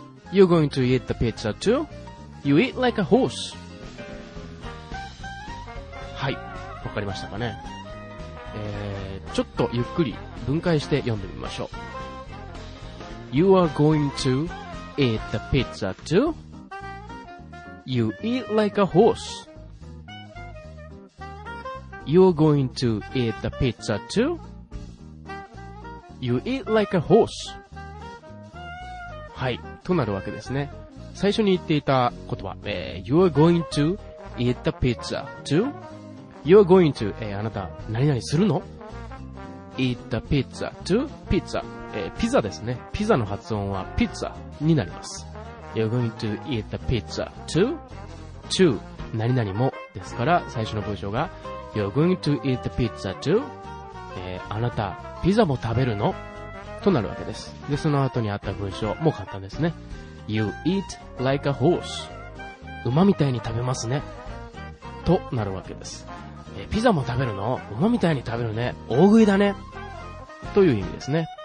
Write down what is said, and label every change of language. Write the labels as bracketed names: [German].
[English] You're going to eat the pizza too? You eat like a horse. [Japanese] はい、わかりましたかね。ちょっとゆっくり分解して読んでみましょう。 [English] You are going to eat the pizza too? You eat like a horse. You are going to eat the pizza too? You eat like a horse. [Japanese] はい、となるわけですね。最初に言っていた言葉、 [English] You are going to eat the pizza too? You're going to、 [Japanese] あなた何々するの？ [English] Eat the pizza to pizza、 [Japanese] ピザですね。ピザの発音はピッツァになります。 [English] You're going to eat the pizza to to [Japanese] 何々もですから、最初の文章が [English] You're going to eat the pizza to、 [Japanese] あなたピザも食べるの？となるわけです。でその後にあった文章も簡単ですね。 [English] You eat like a horse、 [Japanese] 馬みたいに食べますね、となるわけです。ピザも食べるの？馬みたいに食べるね、大食いだね、という意味ですね。